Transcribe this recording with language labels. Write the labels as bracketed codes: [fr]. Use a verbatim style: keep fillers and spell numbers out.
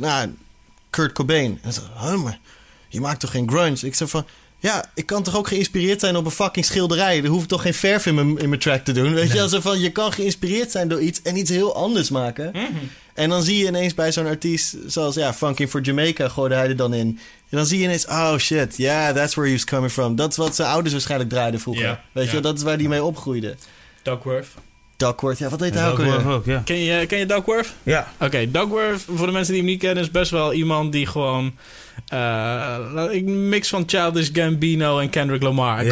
[nl] Nou, Kurt Cobain. En ze zeggen, huh, maar je maakt toch geen grunge? Ik zeg van... Ja, ik kan toch ook geïnspireerd zijn op een fucking schilderij. Er hoef ik toch geen verf in mijn, in mijn track te doen. Weet nee. je, alsof van, je kan geïnspireerd zijn door iets en iets heel anders maken. Mm-hmm. En dan zie je ineens bij zo'n artiest zoals, ja, Funkin' for Jamaica gooide hij er dan in. En dan zie je ineens, [en] oh shit, yeah, that's where he was coming from. [nl] Dat is wat zijn ouders waarschijnlijk draaiden vroeger. Yeah. Weet yeah. je, dat is waar die mee opgroeide. Duckworth. Duckworth, ja, wat heet hij ook weer? Ja. Ken je, ken je Duckworth? Ja. Oké, okay, Duckworth, voor de mensen die hem niet kennen, is best wel iemand die gewoon... Een uh, mix van Childish Gambino en Kendrick Lamar. Hij yes.